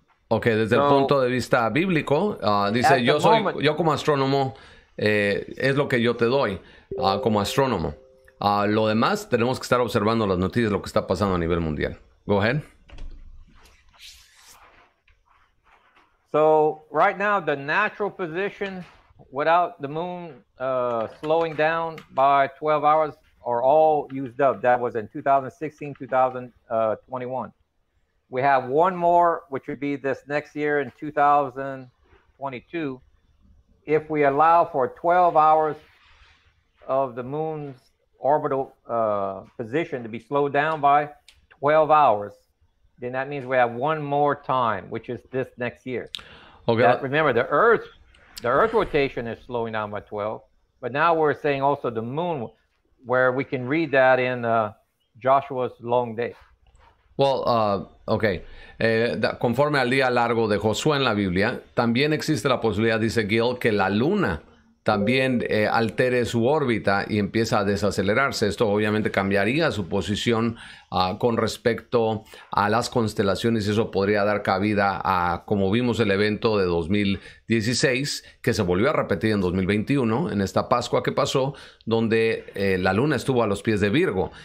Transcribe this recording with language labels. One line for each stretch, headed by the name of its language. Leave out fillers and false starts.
Spanish: Okay, desde el punto de vista bíblico, dice, yo como astrónomo, es lo que yo te doy como astrónomo. Lo demás, tenemos que estar observando las noticias, lo que está pasando a nivel mundial.
English: Go ahead. So, right now, the natural position without the moon slowing down by 12 hours are all used up. That was in 2016, 2021. We have one more, which would be this next year in 2022. If we allow for 12 hours of the moon's orbital position to be slowed down by 12 hours, then that means we have one more time, which is this next year. Okay. That, remember, the Earth rotation is slowing down by 12, but now we're saying also the moon, where we can read that in Joshua's long day. Well, okay.
Spanish: Conforme al día largo de Josué en la Biblia, también existe la posibilidad, dice Gil, que la luna también altere su órbita y empieza a desacelerarse. Esto obviamente cambiaría su posición con respecto a las constelaciones, y eso podría dar cabida a, como vimos, el evento de 2016, que se volvió a repetir en 2021, en esta Pascua que pasó, donde la luna estuvo a los pies de Virgo.